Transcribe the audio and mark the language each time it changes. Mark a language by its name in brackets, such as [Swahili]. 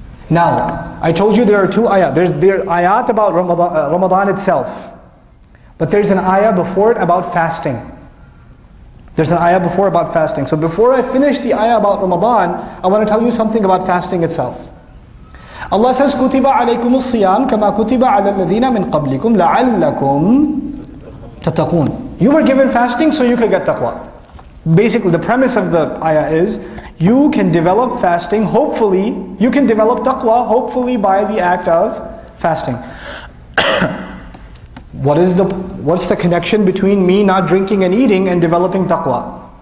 [English] Now, I told you there are two ayat. There are ayat about Ramadan itself. But there's an ayah before it about fasting. There's an ayah before about fasting. So before I finish the ayah about Ramadan, I want to tell you something about fasting itself. Allah says, [Arabic] كُتِبَ عَلَيْكُمُ الصِّيَامُ كَمَا كُتِبَ عَلَى الَّذِينَ مِنْ قَبْلِكُمْ لَعَلَّكُمْ تَتَّقُونَ. [English] You were given fasting so you could get taqwa. Basically, the premise of the ayah is, you can develop fasting, hopefully, you can develop taqwa, hopefully by the act of fasting. What's the connection between me not drinking and eating and developing taqwa?